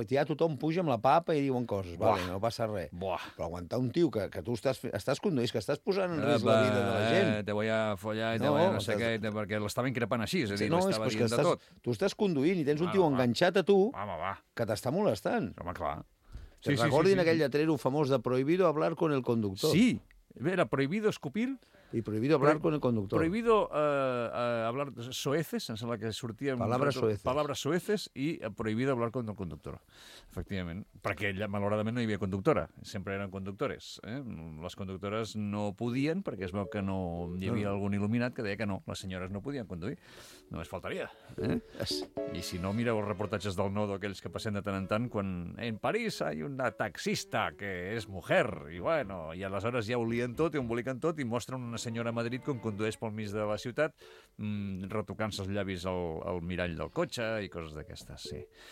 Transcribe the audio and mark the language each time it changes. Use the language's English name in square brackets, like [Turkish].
[Catalan] Ja tothom puja amb la papa i diuen coses. Vale, no passa res. Buah. Però aguantar un tio que tu estàs conduint, que estàs posant en risc la vida de la gent. [Spanish] Te voy a follar, [Catalan] perquè l'estaven crepant així, l'estava dient de tot. Tu estàs conduint i tens un tio enganxat a tu que t'està molestant. Home, clar. Recordin aquell lletrero famós de [Spanish] prohibido hablar con el conductor. Sí, era prohibido escupir I prohibido hablar con el conductor. Prohibido hablar soeces, [Catalan] em sembla que sortia... [Spanish] Palabras soeces. Palabras soeces i prohibido hablar con el conductor, efectivament. [Catalan] Perquè ella, malauradament, no hi havia conductora. Sempre eren conductores. Les conductores no podien, perquè es veu que no hi havia algun il·luminat que deia que no, les senyores no podien conduir. Només faltaria. I si no, mireu els reportatges del Nodo, aquells que passen de tant en tant, quan en París hi ha una taxista que és mujer, i bueno, i aleshores ja olien tot i emboliquen tot i mostren una senyora a Madrid com condueix pel mig de la ciutat retocant-se els llavis al mirall del cotxe i coses d'aquestes, sí.